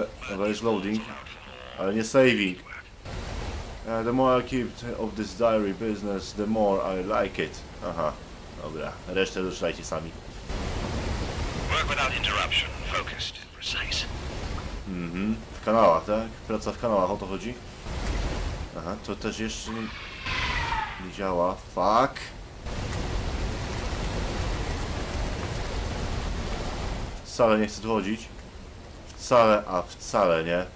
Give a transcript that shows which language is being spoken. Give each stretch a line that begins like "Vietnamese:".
Polish: Dobra, jest loading. Ale nie saving.
English: The more I keep of this diary business, the more I like it.
Polish: Aha, dobra, resztę ruszajcie sami.
English: Work without interruption, focused and precise.
Polish: Mhm, w kanałach, tak? Praca w kanałach, o to chodzi? Aha, to też jeszcze nie działa. Fuck! Wcale nie chcę tu chodzić. Wcale, a wcale nie.